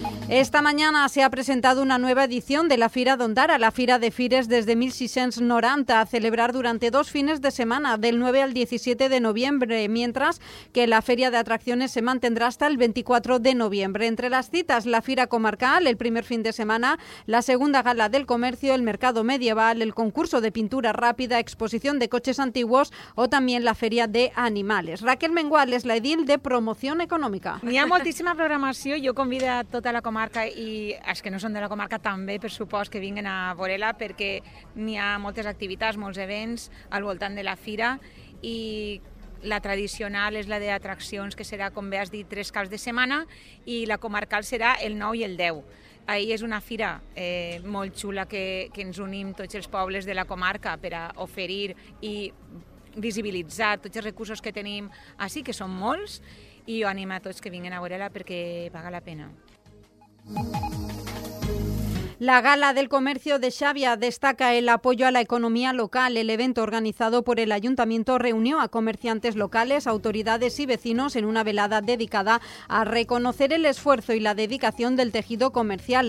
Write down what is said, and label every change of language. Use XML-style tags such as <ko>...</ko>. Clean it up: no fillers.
<es>Esta mañana se ha presentado una nueva edición de la Fira d'Ondara, la Fira de Fires desde 1690, a celebrar durante dos fines de semana, del 9 al 17 de noviembre, mientras que la Feria de Atracciones se mantendrá hasta el 24 de noviembre. Entre las citas, la Fira Comarcal, el primer fin de semana, la segunda Gala del Comercio, el Mercado Medieval, el Concurso de Pintura Rápida, Exposición de Coches Antiguos o también la Feria de Animales. Raquel Mengual es la edil de Promoción Económica.</es> <ca>Hi ha moltíssima programació, jo convido a tota la comarca i els que no són de la comarca també, per supost, que vinguin a veure-la, perquè n'hi ha moltes activitats, molts events al voltant de la fira, i la tradicional és la d'atraccions, que serà, com bé has dit, tres caps de setmana, i la comarcal serà el 9 i el 10. Ahir és una fira molt xula que ens unim tots els pobles de la comarca per a oferir i visibilitzar tots els recursos que tenim així, que són molts, i jo animo a tots que vinguin a veure-la perquè paga la pena.</ca> <es>La Gala del Comercio de Xàbia destaca el apoyo a la economía local. El evento organizado por el Ayuntamiento reunió a comerciantes locales, autoridades y vecinos en una velada dedicada a reconocer el esfuerzo y la dedicación del tejido comercial.</es>